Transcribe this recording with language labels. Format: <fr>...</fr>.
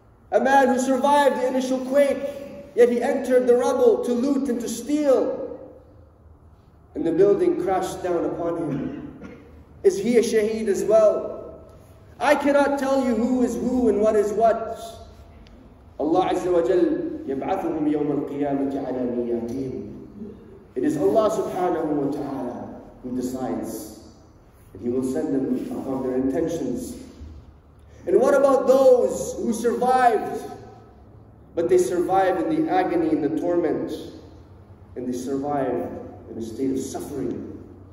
<en>A man who survived the initial quake, yet he entered the rubble to loot and to steal. And the building crashed down upon him. Is he a shaheed as well? I cannot tell you who is who and what is what.</en> <ar>Allah Azza wa Jal يَبْعَثُهُمْ يَوْمَ الْقِيَامَةِ عَلَى نِيَّاتِهِمْ.</ar> <en>It is Allah subhanahu wa ta'ala who decides. And He will send them upon their intentions. And what about those who survived? But they survived in the agony and the torment. And they survived in a state of suffering.</en>